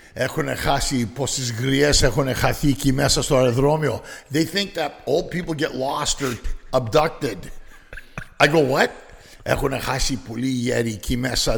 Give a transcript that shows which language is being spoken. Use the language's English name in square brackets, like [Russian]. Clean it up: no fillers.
[Greek] Έχουν χάσει πόσες γριές έχουν χαθεί εκεί μέσα στο αεροδρόμιο. [English] They think that old people get lost or abducted. I go, what? [Greek] Έχουν χάσει πολύ γέροι εκεί μέσα.